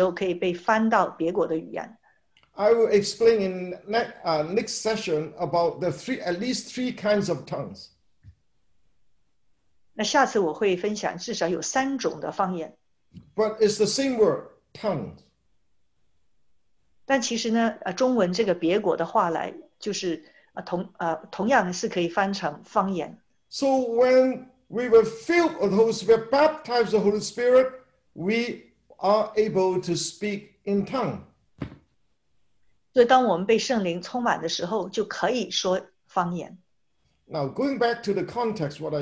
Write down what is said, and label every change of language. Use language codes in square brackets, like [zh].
[zh] 可以说这个方言是可以别人听的时候可以被翻到别国的语言。 [en] I will explain in next session about the at least three kinds of tongues. [zh] 那下次我会分享至少有三种的方言。 [en] But it's the same word, tongues. [zh] 但其实呢，中文这个别国的话来就是同样是可以翻成方言。 [en] So when we were filled with the Holy Spirit, baptized with the Holy Spirit, we are able to speak in tongue. Now, going back to the context, what I